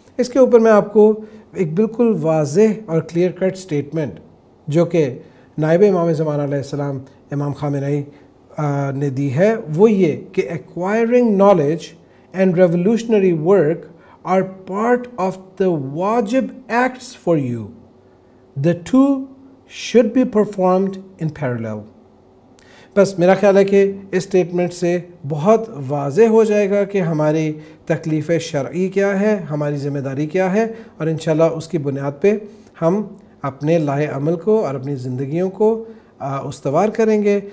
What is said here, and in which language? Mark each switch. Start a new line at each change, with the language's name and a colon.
Urdu: اس کے اوپر میں آپ کو ایک بالکل واضح اور کلیئر کٹ سٹیٹمنٹ جو کہ نائب امام زمان علیہ السلام امام خامنہ ای نے دی ہے وہ یہ کہ
English: Acquiring knowledge and revolutionary work are part of the واجب acts for you. The two should be performed in parallel.
Urdu: بس میرا خیال ہے کہ اس اسٹیٹمنٹ سے بہت واضح ہو جائے گا کہ ہماری تکلیف شرعی کیا ہے, ہماری ذمہ داری کیا ہے, اور انشاءاللہ اس کی بنیاد پہ ہم اپنے لائے عمل کو اور اپنی زندگیوں کو استوار کریں گے.